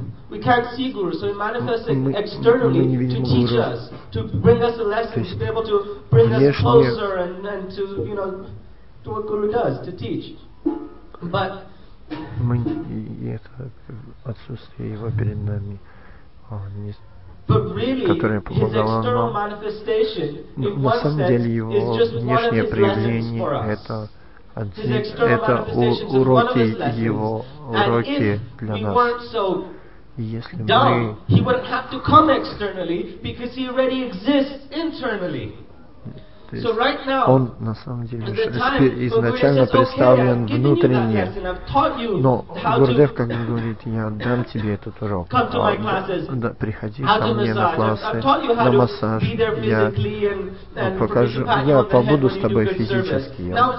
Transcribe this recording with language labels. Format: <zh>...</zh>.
<en>We can't see Guru, so it manifests externally to teach us, to bring us a lesson, to be able to bring us closer and to, you know, to what Guru does, to teach. But...</en> <ru>Мы, и это отсутствие его перед нами.</ru> <en>But really, his external manifestation, in one sense, is just one of his lessons for us. His external manifestation is one of his lessons. And if we weren't so dumb, he wouldn't have to come externally because he already exists internally. So right now,</en> <ru>он на самом деле изначально представлен внутренне. Но Гурудев как бы говорит, я дам тебе этот урок. Приходи ко мне на классы, на массаж. Я покажу, я побуду с тобой физически.</ru>